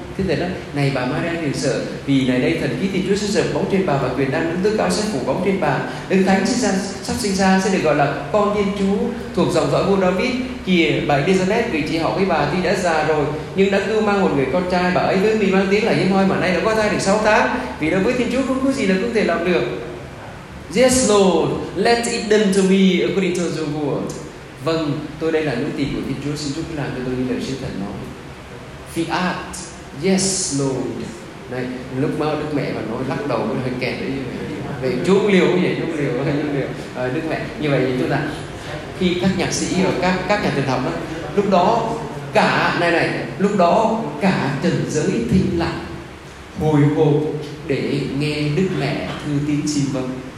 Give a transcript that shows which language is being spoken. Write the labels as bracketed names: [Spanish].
[Vietnamese] Thiên thần nói, này bà Maria đừng sợ, vì này đây thần khí Thiên Chúa sẽ dập bóng trên bà và quyền năng Đấng Thức Cao sẽ phủ bóng trên bà. Đấng Thánh sắp sinh ra sẽ được gọi là con Thiên Chúa, thuộc dòng dõi vua David. Kìa, bà Elizabeth, vị trí họ với bà tuy đã già rồi nhưng đã cứ mang một người con trai. Bà ấy với mình mang tiếng là hiếm hoi mà nay đã có thai được 6 tháng, vì đối với Thiên Chúa không có gì là không thể làm được. [English] Yes, Lord, let it done to me according to your word. [Vietnamese] Vâng, tôi đây là nữ tỳ của Thiên Chúa, xin Chúa làm cho tôi như lời Thiên Thần nói. [English] Fiat, yes, Lord. [Vietnamese] Này, lúc mà Đức Mẹ mà nói lắc đầu hơi kẹt đấy. Vậy Chúa liều vậy, Chúa liều, Đức Mẹ. Như vậy thì chúng ta, khi các nhạc sĩ và các nhà thần học đó, lúc đó cả lúc đó cả trần giới thinh lặng, hồi hộp để nghe Đức Mẹ thư tín xin vâng.